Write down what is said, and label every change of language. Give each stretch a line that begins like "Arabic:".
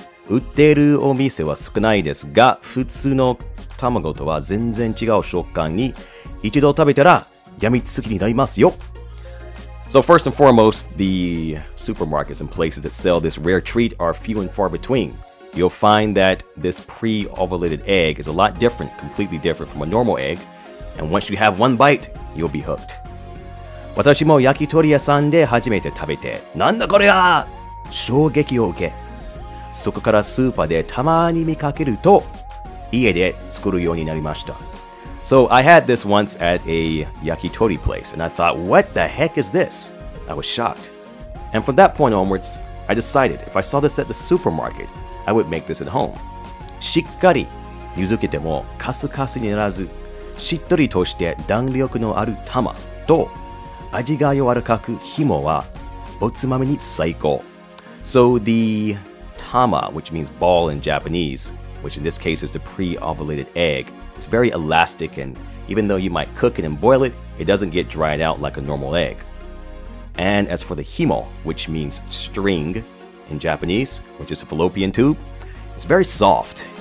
Japanese: 売っているお店は少ないですが、普通の卵とは全然違う食感に一度食べたら病みつきになりますよ。
English: So first and foremost, the supermarkets and places that sell this rare treat are few and far between. You'll find that this pre-ovulated egg is a lot different, completely different from a normal egg. And once you have one bite, you'll be hooked.
Japanese: 私も焼き鳥屋さんで初めて食べて、なんだこれは! 衝撃を受け。そこからスーパーでたまに見かけると、家で作るようになりました。
English: So I had this once at a yakitori place, and I thought, what the heck is this? I was shocked. And from that point onwards, I decided if I saw this at the supermarket, I would make this at home.
Japanese: しっかり湯漬けてもカスカスにならず、しっとりとして弾力のある玉と味が柔らかくひもはおつまみに最高。
English: So the tama, which means ball in Japanese, which in this case is the pre-ovulated egg, it's very elastic and even though you might cook it and boil it, it doesn't get dried out like a normal egg. And as for the himo, which means string in Japanese, which is a fallopian tube, it's very soft.